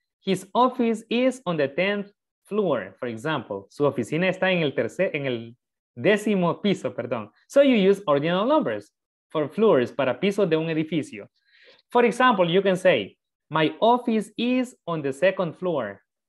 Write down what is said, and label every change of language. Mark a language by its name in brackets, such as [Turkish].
[English] His office is on the 10th floor, for example. [Spanish] Su oficina está en el tercer, en el décimo piso, perdón. [English] So you use ordinal numbers for floors, [Spanish] para pisos de un edificio. [English] For example, you can say, my office is on the second floor.